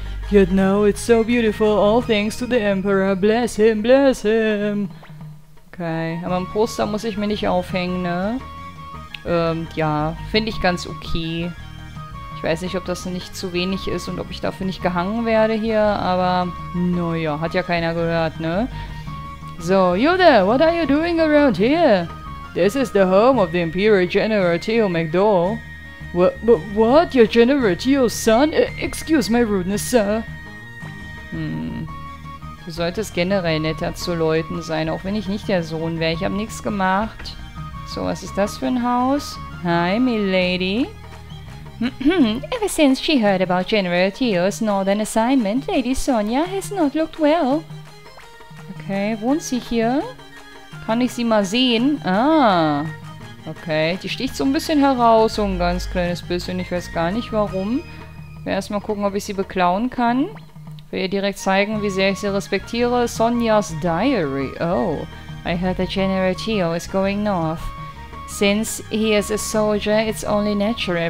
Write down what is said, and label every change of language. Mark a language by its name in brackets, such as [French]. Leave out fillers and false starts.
[English] Yet now it's so beautiful, all thanks to the Emperor. Bless him, bless him. [German] Okay, aber ein Poster muss ich mir nicht aufhängen, ne? Ja, finde ich ganz okay. Ich weiß nicht, ob das nicht zu wenig ist und ob ich dafür nicht gehangen werde hier, aber naja, hat ja keiner gehört, ne? [English] So, you there, what are you doing around here? This is the home of the Imperial General Theo McDowell. What? Your General Theo's son? Excuse my rudeness, sir. [German] Du solltest generell netter zu Leuten sein, auch wenn ich nicht der Sohn wäre. Ich habe nichts gemacht. So, was ist das für ein Haus? [English] Hi, milady. Ever since she heard about General Theo's northern assignment, Lady Sonia has not looked well. [German] Okay, wohnt sie hier? Kann ich sie mal sehen? Ah, okay. Die sticht so ein bisschen heraus, so ein ganz kleines bisschen. Ich weiß gar nicht, warum. Ich werde erstmal gucken, ob ich sie beklauen kann. Ich will ihr direkt zeigen, wie sehr ich sie respektiere. Sonjas Diary. Oh, [English] I heard that General Theo is going north. Since he is a soldier, it's only natural.